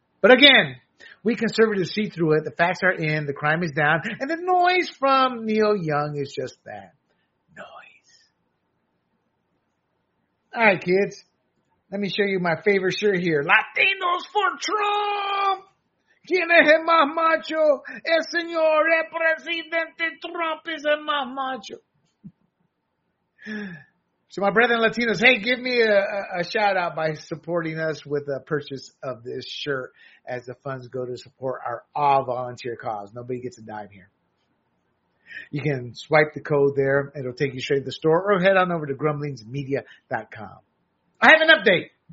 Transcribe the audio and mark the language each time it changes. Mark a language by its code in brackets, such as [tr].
[en] But again, we conservatives see through it. The facts are in. The crime is down. And the noise from Neil Young is just that. Noise. All right, kids. Let me show you my favorite shirt here. Latinos for Trump! [es] ¿Quién es el más macho? El señor presidente Trump es el más macho. [en] So my brethren Latinos, hey, give me a shout out by supporting us with a purchase of this shirt as the funds go to support our all-volunteer cause. Nobody gets a dime here. You can swipe the code there. It'll take you straight to the store or head on over to grumblingsmedia.com. I have an update.